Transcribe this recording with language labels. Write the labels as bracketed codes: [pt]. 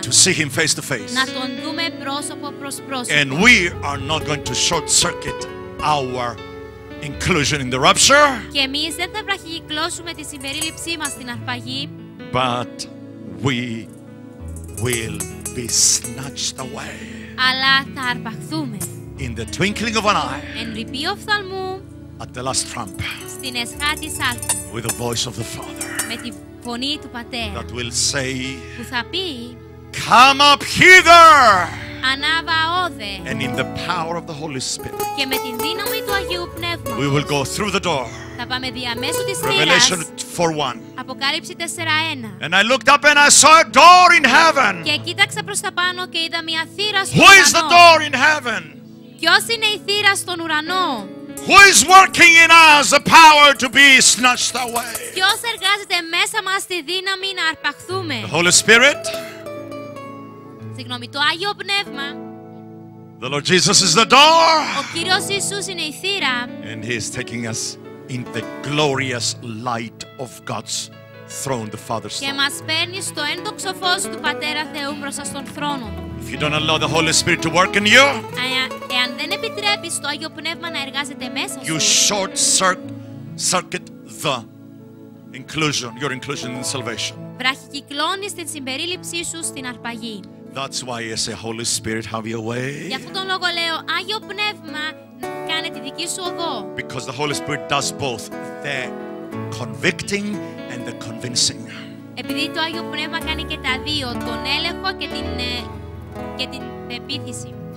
[en] To see Him face to face. [el] Να τον δούμε πρόσωπο προς πρόσωπο. [en] And we are not going to short circuit our inclusion in the rapture. [el] Και εμείς δεν θα βραχυκυκλώσουμε τη συμπερίληψή μας στην αρπαγή. [en] But we will be snatched away. [el] Αλλά θα αρπαχθούμε. [en] In the twinkling of an eye. [el] Εν ρυπή οφθαλμού. [en] At the last trump. [el] Στην εσχάτη σάλπη. [en] With the voice of the Father. [el] Με τη φωνή του Πατέρα. [en] That will say. [el] Που θα πει. [en] Come up hither. [el] Ανάβα όδε. [en] And in the power of the Holy Spirit. [el] Και με την δύναμη του Αγίου Πνεύματος. [en] We will go through the door. [el] Θα πάμε διαμέσου της θύρας. [en] Revelation 4:1. [el] Αποκάλυψη 4:1. [en] And I looked up and I saw a door in heaven. [el] Και κοίταξα προς τα πάνω και είδα μια θύρα στον [en] ουρανό. Who is the door in heaven? [el] Ποιος είναι η θύρα στον ουρανό? [en] Who is working in us the power to be snatched away? [el] Ποιος εργάζεται μέσα μας τη δύναμη να αρπαχθούμε? [en] The Holy Spirit. [el] Συγγνώμη, το Άγιο Πνεύμα. [en] The Lord Jesus is the door. [el] Ο Κύριος Ιησούς είναι η θύρα. [en] And He is taking us in the glorious light of God's throne, the Father's throne. [el] Και μας παίρνει στο ένδοξο φως του Πατέρα Θεού μπροστά στον θρόνο. [en] If you don't allow the Holy Spirit to work in you, [el] εάν δεν επιτρέπεις το Άγιο Πνεύμα να εργάζεται μέσα σου, [en] you short circuit the inclusion, your inclusion in salvation. [el] Βραχυκυκλώνεις την συμπερίληψή σου στην αρπαγή. [en] That's why I say, Holy Spirit, have your way. [el] Γι' αυτόν τον λόγο λέω, Άγιο Πνεύμα, κάνε τη δική σου οδό. [en] Because the Holy Spirit does both, the convicting and the convincing. [el] Επειδή το Άγιο Πνεύμα κάνει και τα δύο, τον έλεγχο και την πεποίθηση.